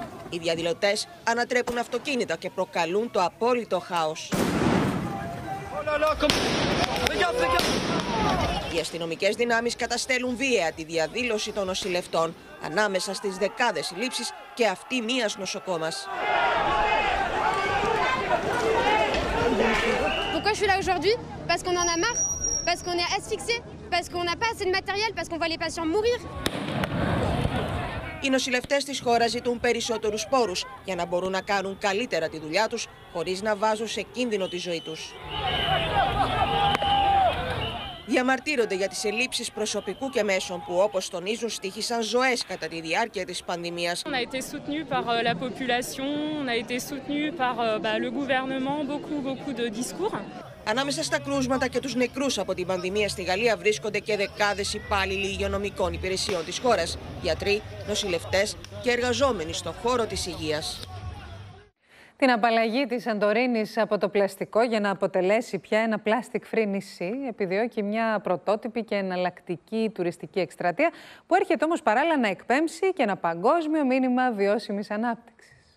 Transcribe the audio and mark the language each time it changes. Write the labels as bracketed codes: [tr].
[el] Οι διαδηλωτές ανατρέπουν αυτοκίνητα και προκαλούν το απόλυτο χάος. Οι αστυνομικές δυνάμεις καταστέλουν βία τη διαδήλωση των νοσηλευτών ανάμεσα στις δεκάδες συλλήψεις και αυτή μίας νοσοκόμας. [fr] Pourquoi je suis là aujourd'hui? Parce qu'on en a marre, parce qu'on est asphyxié, parce qu'on n'a pas assez de matériel, parce qu'on voit les patients mourir. [el] Οι νοσηλευτές της χώρας ζητούν περισσότερους πόρους για να μπορούν να κάνουν καλύτερα τη δουλειά τους χωρίς να βάζουν σε κίνδυνο τη ζωή τους. Διαμαρτύρονται για τις ελλείψεις προσωπικού και μέσων που, όπως τονίζουν, στοίχησαν ζωές κατά τη διάρκεια της πανδημίας. [fr] On a été soutenu par la population, on a été soutenu par le gouvernement, beaucoup de discours. [el] Ανάμεσα στα κρούσματα και τους νεκρούς από την πανδημία στη Γαλλία βρίσκονται και δεκάδες υπάλληλοι υγειονομικών υπηρεσιών της χώρας, γιατροί, νοσηλευτές και εργαζόμενοι στον χώρο της υγείας. Την απαλλαγή της Σαντορίνης από το πλαστικό για να αποτελέσει πια ένα [en] plastic free [el] νησί επιδιώκει μια πρωτότυπη και εναλλακτική τουριστική εκστρατεία που έρχεται όμως παράλληλα να εκπέμψει και ένα παγκόσμιο μήνυμα βιώσιμης ανάπτυξης.